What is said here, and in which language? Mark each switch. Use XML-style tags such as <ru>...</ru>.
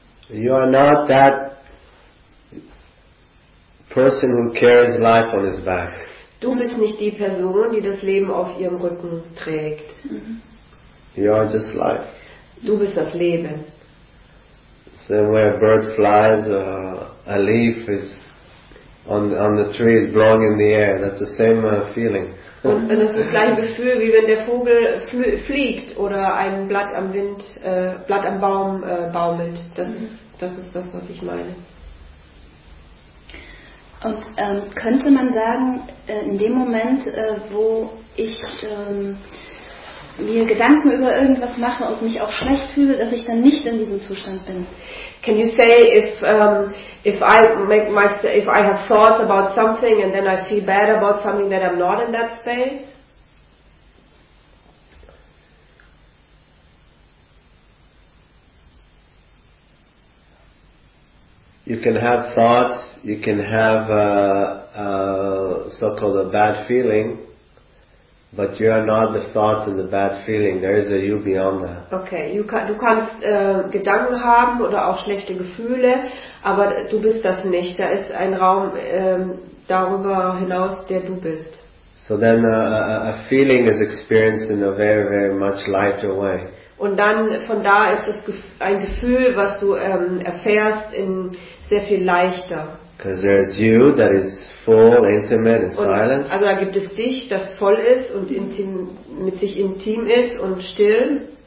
<en>You are not that person who carries life on his back.</en> <de>Du bist nicht die Person, die das Leben auf ihrem Rücken trägt.</de> <en>You are just life.</en> <de>Du bist das Leben.</de> <en>So where a bird flies, a leaf is on the tree is blowing in the air. That's the same feeling.</en> <de>Und das ist das gleiche Gefühl, wie wenn der Vogel fliegt oder ein Blatt am Wind, Blatt am Baum baumelt. Das ist das, was ich meine. Und könnte man sagen, in dem Moment, wo ich mir Gedanken über irgendwas mache und mich auch schlecht fühle, dass ich dann nicht in diesem Zustand bin?</de> <en>Can you say if I have thoughts about something and then I feel bad about something that I'm not in that space? You can have thoughts, you can have a so-called a bad feeling, but you are not the thoughts and the bad feeling. There is a you beyond that.</en> <de>Okay, du kannst Gedanken haben oder auch schlechte Gefühle, aber du bist das nicht. Da ist ein Raum darüber hinaus, der du bist.</de> <en>So then a feeling is experienced in a very, very much lighter way.</en> <de>Und dann von da ist es ein Gefühl, was du erfährst, in sehr viel leichter.</de> <en>Because there is you that is full, intimate, and silent.</en> <de>Also da gibt es dich, das voll ist und intim, mit sich intim ist und still.</de>